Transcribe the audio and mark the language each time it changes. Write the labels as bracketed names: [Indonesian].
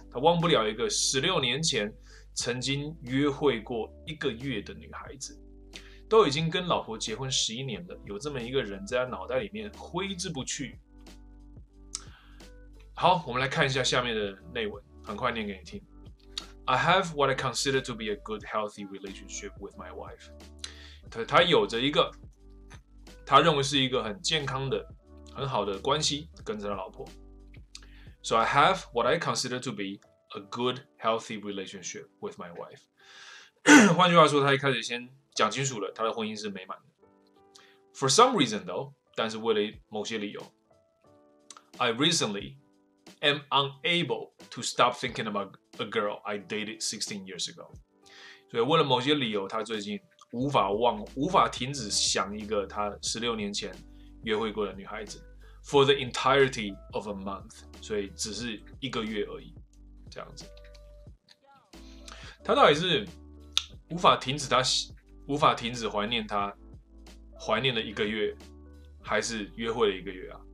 [Chinese] 他忘不了一个16年前曾经约会过一个月的女孩子，都已经跟老婆结婚11年了，有这么一个人在他脑袋里面挥之不去。好，我们来看一下下面的内文，很快念给你听。 [English] I have what I consider to be a good, healthy relationship with my wife. [Chinese] 他有着一个他认为是一个很健康的、很好的关系跟着他老婆。 [English] So I have what I consider to be a good, healthy relationship with my wife. [Chinese] 换句话说，他一开始先讲清楚了，他的婚姻是美满的。 [English] For some reason, though, [Chinese] 但是为了某些理由 [English] ，I recently. I'm unable to stop thinking about a girl I dated 16 years ago. [Chinese] 所以为了某些理由，他最近无法停止想一个他16年前约会过的女孩子。 [English] For the entirety of a month. [Chinese] 所以只是一个月而已。这样子。他到底是无法停止怀念他怀念了一个月，还是约会了一个月啊？